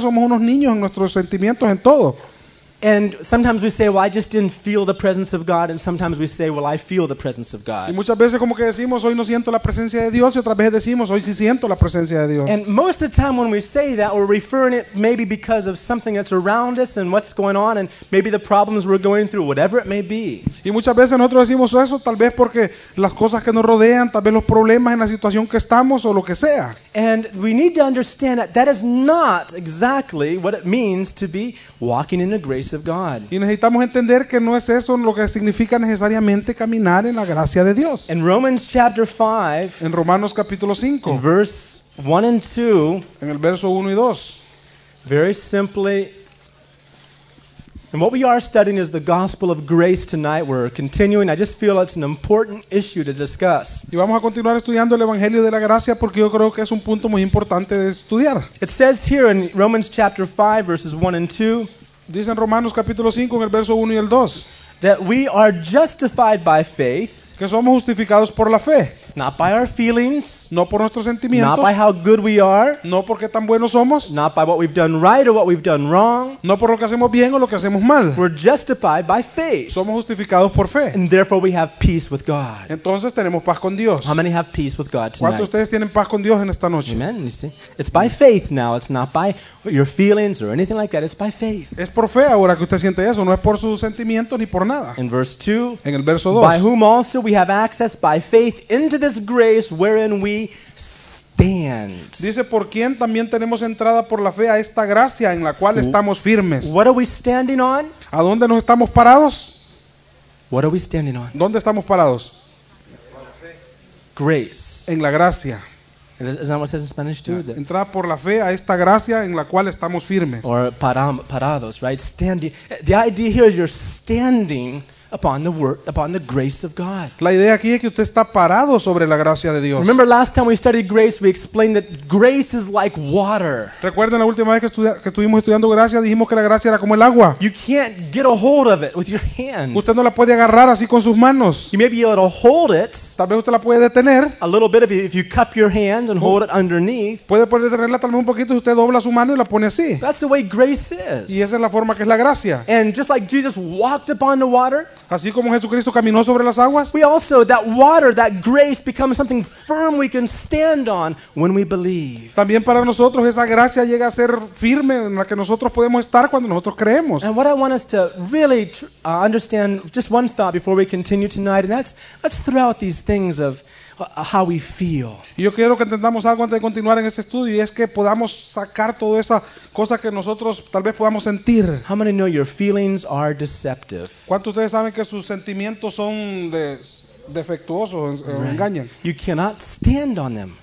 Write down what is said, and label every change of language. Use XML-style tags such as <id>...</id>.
<es>Somos unos niños en nuestros sentimientos en todo.</es> <en>And sometimes we say, "Well, I just didn't feel the presence of God." And sometimes we say, "Well, I feel the presence of God."</en> <es>Y muchas veces como que decimos, "Hoy no siento la presencia de Dios," y otras veces decimos, "Hoy sí siento la presencia de Dios."</es> <en>And most of the time, when we say that, we're referring it maybe because of something that's around us and what's going on, and maybe the problems we're going through, whatever it may be.</en> <es>Y muchas veces nosotros decimos eso, tal vez porque las cosas que nos rodean, tal vez los problemas en la situación que estamos o lo que sea.</es> <en>And we need to understand that that is not exactly what it means to be walking in the grace of God.</en> <es>Y necesitamos entender que no es eso lo que significa necesariamente caminar en la gracia de Dios.</es> <en>In Romans chapter 5,</en> <es>en Romanos capítulo 5,</es> <en>verse 1 and 2,</en> <es>en el verso 1 y 2,</es> <en>very simply, and what we are studying is the gospel of grace tonight. We're continuing. I just feel it's an important issue to discuss.</en> <es>Y vamos a continuar estudiando el evangelio de la gracia porque yo creo que es un punto muy importante de estudiar.</es> <en>It says here in Romans chapter 5, verses 1 and 2,</en> <es>dicen Romanos capítulo 5 en el verso 1 y el 2,</es> <en>that we are justified by faith,</en> <es>que somos justificados por la fe,</es> <en>not by our feelings,</en> <es>no por nuestros sentimientos,</es> <en>not by how good we are,</en> <es>no por qué tan buenos somos,</es> <en>not by what we've done right or what we've done wrong,</en> <es>no por lo que hacemos bien o lo que hacemos mal.</es> <en>We're justified by faith.</en> <es>Somos justificados por fe.</es> <en>And therefore we have peace with God.</en> <es>Entonces tenemos paz con Dios.</es> <en>How many have peace with God tonight?</en> <es>¿Cuántos de ustedes tienen paz con Dios en esta noche?</es> <en>Amen. You see? It's by faith now. It's not by your feelings or anything like that. It's by faith.</en> <es>Es por fe ahora que usted siente eso. No es por sus sentimientos ni por nada.</es> <en>In verse 2,</en> <es>en el verso 2,</es> <en>by whom also we have access by faith into this grace wherein we stand.</en> <es>Dice por quien también tenemos entrada por la fe a esta gracia en la cual estamos firmes.</es> <en>What are we standing on?</en> <es>¿A dónde nos estamos parados?</es> <en>What are we standing on?</en> <es>¿Dónde estamos parados?</es> <en>Grace.</en> <es>En la gracia.</es> <en>Is that what it says in Spanish too? Yeah.</en> <es>Entrada por la fe a esta gracia en la cual estamos firmes.</es> <en>Or parados, right? Standing. The idea here is you're standing upon the grace of God.</en> <es>La idea aquí es que usted está parado sobre la gracia de Dios.</es> <en>Remember last time we studied grace, we explained that grace is like water.</en> <es>Recuerden la última vez que estuvimos estudiando gracia, dijimos que la gracia era como el agua.</es> <en>You can't get a hold of it with your hands.</en> <es>Usted no la puede agarrar así con sus manos.</es> <en>You may be able to hold it.</en> <es>Tal vez usted la puede detener.</es> <en>A little bit if you cup your hand and hold it underneath.</en> <es>Puede poder detenerla tal vez un poquito si usted dobla su mano y la pone así.</es> <en>That's the way grace is.</en> <es>Y esa es la forma que es la gracia.</es> <en>And just like Jesus walked upon the water.</en> <es>Así como Jesucristo caminó sobre las aguas,</es> <en>we also, that water, that grace becomes something firm we can stand on when we believe.</en> <es>También para nosotros esa gracia llega a ser firme en la que nosotros podemos estar cuando nosotros creemos.</es> <en>And what I want us to really understand, just one thought before we continue tonight, and that's, let's throw out these things of how we feel.</en> <es>Yo quiero que entendamos algo antes de continuar en este estudio, y es que podamos sacar toda esa cosa que nosotros tal vez podamos sentir.</es> <en>How many know your feelings are deceptive?</en> <es>¿Cuántos ustedes saben que sus sentimientos son defectuosos, engañan?</es> <en>You cannot stand on them.</en>